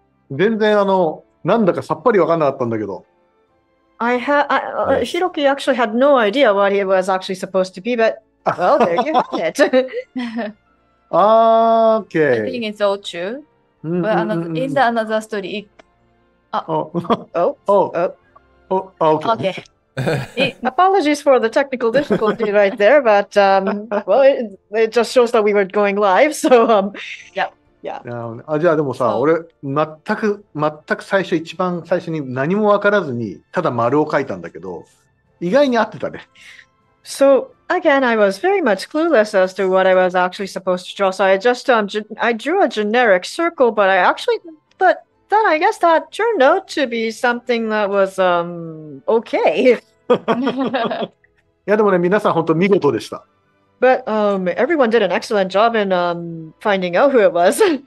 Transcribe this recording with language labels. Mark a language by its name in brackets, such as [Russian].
[Japanese] 全然なんだかさっぱり分かんなかったんだけど。 [English] I have yes. Hiroki actually had no idea what he was actually supposed to be, but well, there you have it. Okay. I think it's all true. Mm-hmm. But another, is another story? Okay. Okay. Apologies for the technical difficulty right there, but it just shows that we were going live. So [Japanese] じゃあでもさ、俺全く最初一番最初に何も分からずにただ丸を書いたんだけど、意外に合ってたね。 [English] So again, I was very much clueless as to what I was actually supposed to draw. So I just I drew a generic circle, but I actually but then I guess that turned out to be something that was okay. [Japanese] いやでもね、皆さん本当見事でした。 [English] But everyone did an excellent job in finding out who it was.